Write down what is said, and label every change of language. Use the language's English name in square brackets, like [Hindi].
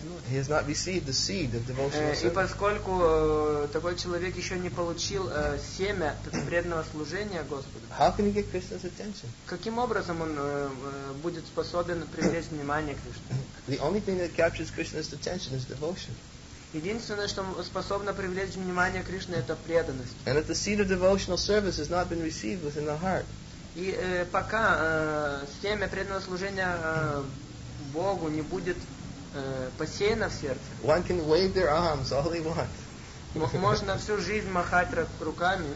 [English] He has not received the seed of devotional service. [Russian] И поскольку такой человек еще не получил семя преданного служения Господу, [English] how can he get Krishna's attention? [Russian] Каким образом он будет способен привлечь внимание Кришны? [English] The only thing that captures Krishna's attention is devotion. [Russian] Единственное, что способно привлечь внимание Кришны, это преданность. [English] And if the seed of devotional service has not been received within the heart, [Russian] и пока семя преданного служения Богу не будет посеяно в сердце, [English] one can wave their arms all they want. [Russian] Можно всю жизнь махать руками.